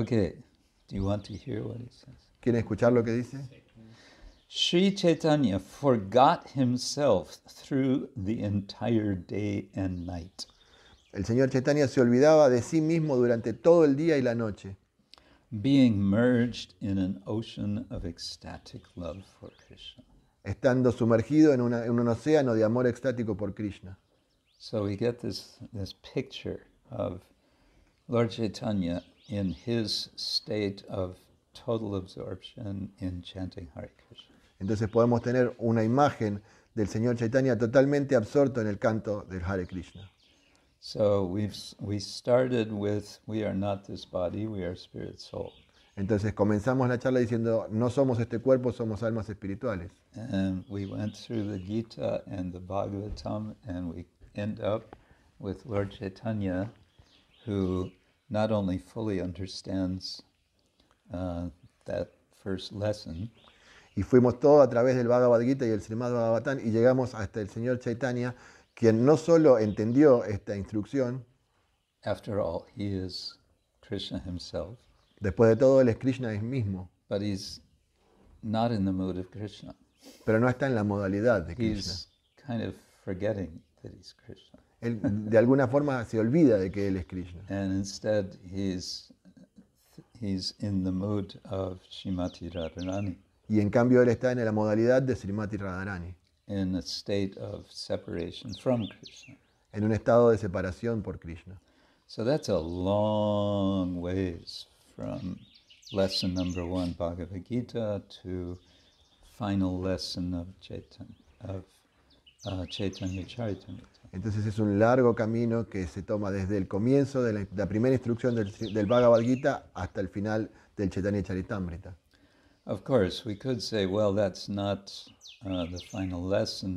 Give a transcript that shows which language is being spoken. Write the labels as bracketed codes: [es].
[en] Okay, do you want to hear what he says? [es] ¿Quieren escuchar lo que dice? [en] Sri Chaitanya forgot himself through the entire day and night. [es] El señor Chaitanya se olvidaba de sí mismo durante todo el día y la noche. [en] Being merged in an ocean of ecstatic love for Krishna. [es] Estando sumergido en, una, en un océano de amor extático por Krishna. [en] So we get this picture of Lord Chaitanya in his state of total absorption in chanting Hare Krishna. [es] Entonces podemos tener una imagen del señor Chaitanya totalmente absorto en el canto del Hare Krishna. [en] So we started with, we are not this body, we are spirit soul. [es] Entonces comenzamos la charla diciendo, no somos este cuerpo, somos almas espirituales. [en] And we went through the Gita and the Bhagavatam, and we end up with Lord Chaitanya, who not only fully understands that first lesson. [es] Y fuimos todo a través del Bhagavad Gita y el Srimad Bhagavatam, y llegamos hasta el señor Chaitanya, quien no solo entendió esta instrucción. [en] After all, he is Krishna himself. [es] Después de todo, él es Krishna él mismo. [en] But he's not in the mood of Krishna. [es] Pero no está en la modalidad de Krishna. [en] He's kind of forgetting that he's Krishna. [es] Él de alguna forma se olvida de que él es Krishna. [en] And instead he's in the mood of Srimati Radharani. [es] Y en cambio él está en la modalidad de Srimati Radharani. [en] In a state of separation from Krishna. [es] En un estado de separación por Krishna. [en] So that's a long ways from lesson number one, Bhagavad Gita, to final lesson of Chaitanya Charitamrita. [es] Entonces es un largo camino que se toma desde el comienzo de la primera instrucción del Bhagavad Gita hasta el final del Chaitanya Charitamrita. [en] Of course, we could say, well, that's not the final lesson.